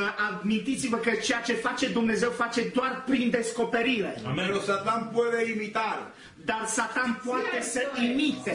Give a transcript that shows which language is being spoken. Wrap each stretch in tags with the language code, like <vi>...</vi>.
<ro>Admitiți-vă că ceea ce face Dumnezeu face doar prin descoperire.</ro> <es>Pero Satan puede imitar.</es> <ro>Dar Satan poate să imite.</ro>